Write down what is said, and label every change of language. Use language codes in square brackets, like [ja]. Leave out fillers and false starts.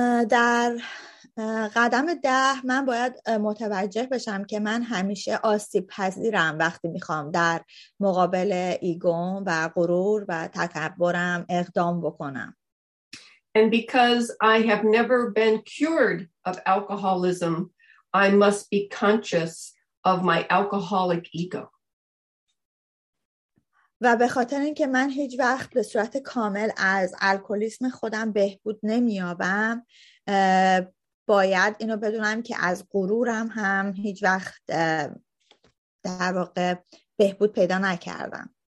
[fa] در قدم ده من باید متوجه بشم که من همیشه آسیب پذیرم وقتی میخوام در مقابل ایگوم و غرور و تکبرم اقدام بکنم. [en] And because I have never been cured of alcoholism, I must be conscious of my alcoholic ego. [fa] و به خاطر اینکه من هیچ وقت به صورت کامل از الکلیسم خودم بهبود نمییابم، باید اینو بدونم که از غرورم هم هیچ وقت در واقع بهبود پیدا نکردم.